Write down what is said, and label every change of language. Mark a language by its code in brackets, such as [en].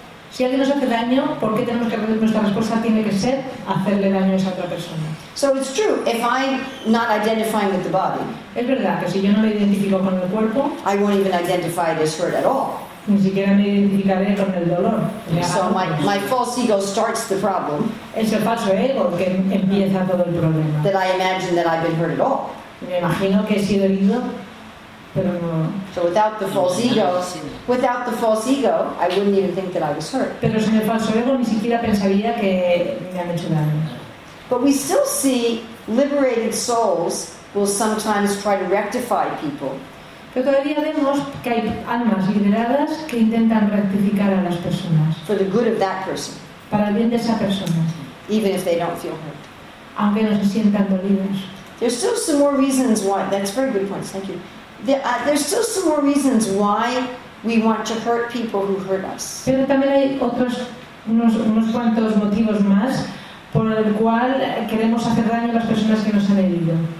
[es] Si alguien nos hace daño, ¿por qué tenemos que nuestra respuesta tiene que ser hacerle daño a esa otra persona? [en] So it's true, if I'm not identifying with the body, [es] es verdad que si yo no me identifico con el cuerpo, [en] I won't even identify this hurt at all. [es] Ni siquiera me identificaré con el dolor. [en] So my false ego starts the problem. [es] Es el falso ego que empieza todo el problema. [en] That I imagine that I've been hurt at all. [es] Me imagino que he sido herido, pero no. [en] So without the false ego, I wouldn't even think that I was hurt. [es] Pero sin el falso ego ni siquiera pensaría que me han hecho daño. [en] But we still see liberated souls will sometimes try to rectify people. [es] Pero todavía vemos que hay almas liberadas que intentan rectificar a las personas. [en] For the good of that person. [es] Para el bien de esa persona. [en] Even if they don't feel hurt. [es] Aunque no se sientan dolidos. [en] There's still some more reasons why. That's very good points. Thank you. There's still some more reasons why we want to hurt people who hurt us. [es] Pero también hay otros unos cuantos motivos más por el cual queremos hacer daño a las personas que nos han herido.